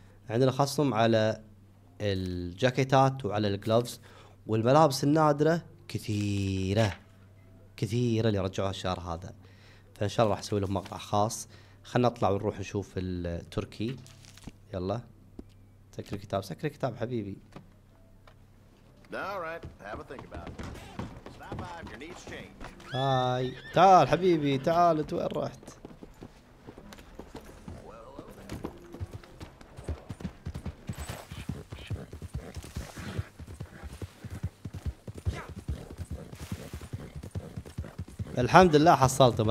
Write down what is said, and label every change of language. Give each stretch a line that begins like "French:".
Arabic: عندنا خصم على الجاكيتات وعلى الجلوفز، والملابس النادره كثيره كثيرة اللي رجعوها الشهر هذا، فإن شاء الله راح أسوي لهم مقطع خاص. خلنا نطلع ونروح نشوف التركي. يلا سكر الكتاب، سكر الكتاب حبيبي.
English: All right. Have a think about it. Stop by if your needs change.
Arabic: هاي تعال حبيبي تعال، انت وين رحت؟ الحمد لله حصلته.